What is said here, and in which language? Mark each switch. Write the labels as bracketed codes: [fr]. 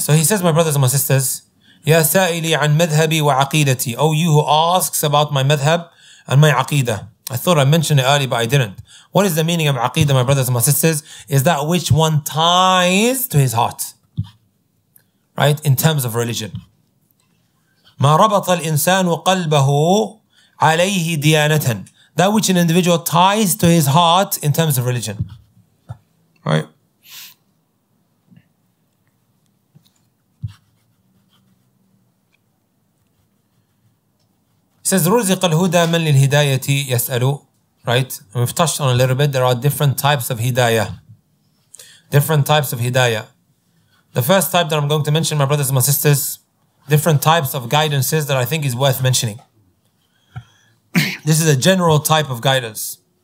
[en] So he says, my brothers and my sisters, [ar] يا سائلي عن مذهبي وعقيدتي. [en] Oh, you who asks about my madhab and my aqeedah. I thought I mentioned it earlier, but I didn't. What is the meaning of aqeedah, my brothers and my sisters? Is that which one ties to his heart. Right? In terms of religion. [ar] ما ربط الإنسان وقلبه عليه ديانة. [en] That which an individual ties to his heart in terms of religion. Right? Says [ar] رزق الهدى من للهداية يسألو, [en] right? And we've touched on a little bit. There are different types of hidayah. Different types of hidayah. The first type that I'm going to mention, my brothers and my sisters, different types of guidances that I think is worth mentioning. This is a general type of guidance.